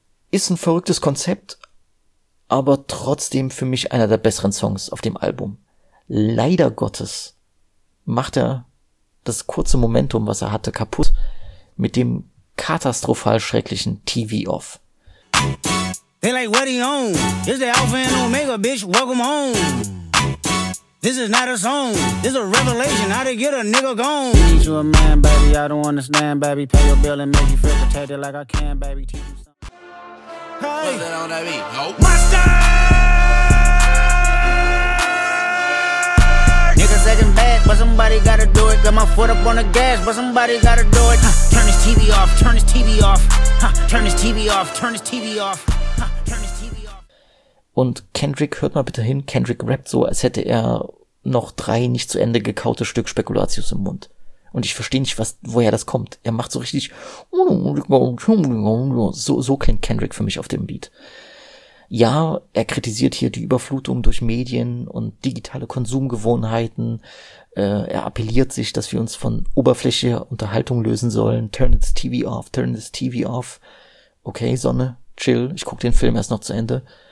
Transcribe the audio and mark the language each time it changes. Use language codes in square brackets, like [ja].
[de] Ist ein verrücktes Konzept, aber trotzdem für mich einer der besseren Songs auf dem Album. Leider Gottes macht er das kurze Momentum, was er hatte, kaputt. Mit dem katastrophal schrecklichen TV off. [en] They like what he on. It's the Alpha and Omega, bitch. Welcome home. This is not a song. This is a revelation. How to get a nigga gone. I need you a man, baby. I don't understand, baby. Pay your bill and make you feel protected like I can, baby. Teach you something. Hey. What's that on that beat? Nope. My style! But somebody gotta do it. Got my foot up on the gas. But somebody gotta do it. Turn his TV off. Turn his TV off. Turn his TV off. Turn his TV off. Turn his TV off. [de] Und Kendrick, hört mal bitte hin. Kendrick rappt so, als hätte er noch drei nicht zu Ende gekaute Stück Spekulatius im Mund. Und ich verstehe nicht, woher das kommt. Er macht so richtig. So klingt Kendrick für mich auf dem Beat. Ja, er kritisiert hier die Überflutung durch Medien und digitale Konsumgewohnheiten. Er appelliert sich, dass wir uns von oberflächlicher Unterhaltung lösen sollen. [en] Turn this TV off, turn this TV off. [de] Okay, Sonne, chill, ich guck den Film erst noch zu Ende.